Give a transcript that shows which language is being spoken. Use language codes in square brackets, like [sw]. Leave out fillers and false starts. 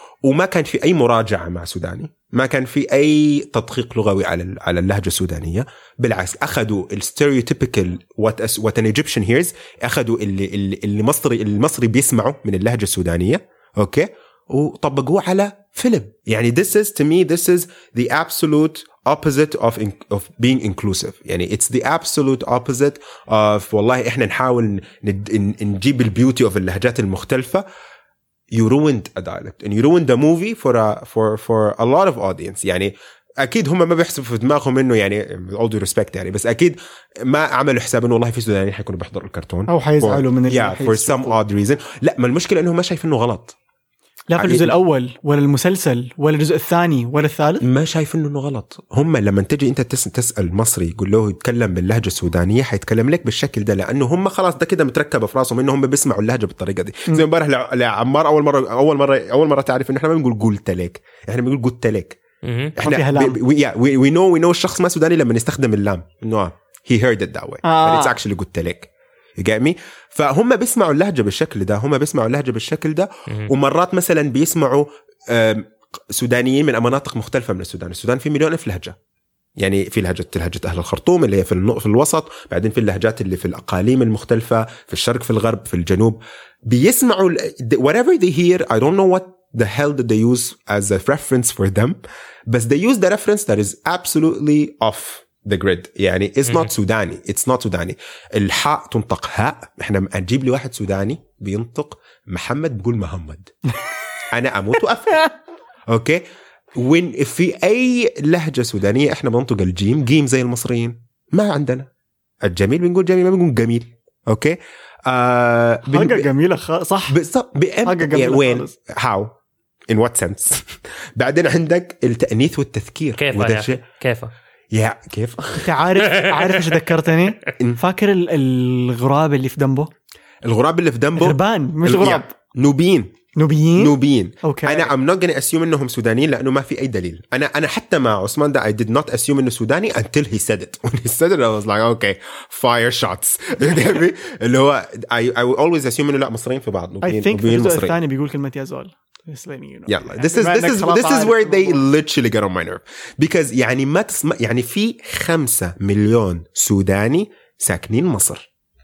[ar] وما كان في أي مراجعة مع سوداني، ما كان في أي تدقيق لغوي على اللهجة السودانية. بالعكس أخذوا الستيريوتيبيكال [en] what an Egyptian hears، [ar] أخذوا المصري بيسمعه من اللهجة السودانية أوكي، وطبقوه على فيلم. يعني [en] this is to me this is the absolute opposite of being inclusive. [ar] يعني [en] it's the absolute opposite of [ar] والله إحنا نحاول نجيب البيوتي of اللهجات المختلفة. [en] You ruined a dialect and you ruined a movie for a lot of audience. [ar] يعني أكيد هم ما بيحسبوا في دماغهم إنه يعني [en] all due respect [ar] يعني، بس أكيد ما عملوا حساب إنه والله في سودانيين حيكونوا بحضر الكرتون أو حيزعلوا من [en] for some odd reason. [ar] لا، ما المشكلة إنه ما شايفين إنه غلط، لا في الجزء الأول ولا المسلسل ولا الجزء الثاني ولا الثالث، ما شايفين إنه غلط. هم لما تجي أنت تسأل مصري يقول له يتكلم باللهجة السودانية حيتكلم لك بالشكل ده، لأنه هم خلاص ده كده متركب في راسهم إنه هم بيسمعوا اللهجة بالطريقة دي. زي امبارح لعمار أول مرة تعرف إن إحنا ما بنقول قلت لك، إحنا بنقول قلت لك. إحنا [en] we know [ar] الشخص ما سوداني لما نستخدم اللام إنه [en] he heard it that way but it's actually [ar] قلت لك. فهم بيسمعوا اللهجة بالشكل ده، ومرات مثلا بيسمعوا سودانيين من مناطق مختلفة من السودان. السودان في مليون لهجة، يعني في لهجة أهل الخرطوم اللي هي في الوسط، بعدين في اللهجات اللي في الأقاليم المختلفة في الشرق في الغرب في الجنوب. بيسمعوا [en] whatever they hear. I don't know what the hell did they use as a reference for them, but they use the reference that is absolutely off the grid. [ar] يعني [en] it's not سوداني، it's not سوداني. [ar] الحاء تنطق هاء، احنا اجيب لي واحد سوداني بينطق محمد بقول محمد انا اموت وافهم اوكي. وين في اي لهجه سودانيه احنا بننطق الجيم جيم زي المصريين؟ ما عندنا. الجميل بنقول جميل، ما بنقول جميل اوكي. حاجه جميله صح حاجه جميله وين [en] How in what sense. [ar] بعدين عندك التانيث والتذكير كيف Yeah, كيف؟ عارف إيش ذكرتني؟ فاكر الغراب اللي في دمبو؟ الغراب اللي في دمبو؟ إربان مش غراب. نوبيين. [en] Okay. [ar] أنا [en] I'm not gonna assume [ar] إنهم سودانيين لأنه ما في أي دليل. أنا حتى مع عثمان ده [en] I did not assume [ar] إنه سوداني [en] until he said it. When he said it I was like okay fire shots. [ar] اللي هو [en] I always assume [ar] إنه لا مصريين في بعض. [en] I think [ar] في الجزء الثاني بيقول كلمة يازول. يلا [en] this is where they literally get on my nerve because [ar] يعني ما تسمع يعني في 5 مليون سوداني ساكنين مصر.